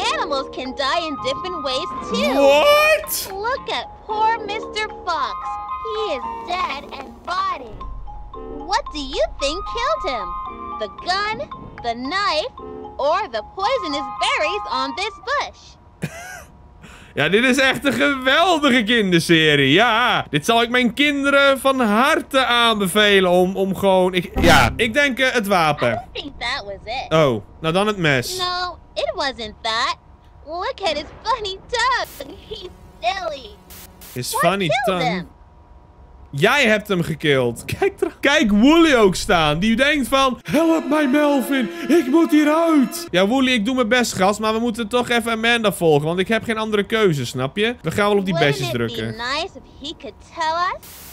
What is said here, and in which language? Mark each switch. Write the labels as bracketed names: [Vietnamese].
[English] Animals can die in different ways too. What? Look at poor Mr. Fox. He is dead and rotting. What do you think killed him? The gun, the knife, or the poisonous berries on this bush? [Dutch] Ja, dit is echt een geweldige kinderserie. Ja, dit zal ik mijn kinderen van harte aanbevelen om gewoon... Ik denk het wapen. [English] I think that was it. [Dutch] Oh, nou dan het mes. [English] No, it wasn't that. Look at his funny tongue. He's silly. His funny tongue? [Dutch] Jij hebt hem gekild. Kijk er... Kijk Wooly ook staan. Die denkt van... Help mij, Melvin. Ik moet hieruit. Ja, Wooly, ik doe mijn best, gast. Maar we moeten toch even Amanda volgen. Want ik heb geen andere keuze, snap je? We gaan wel op die besjes drukken. [English] Wouldn't it be nice if he could tell us?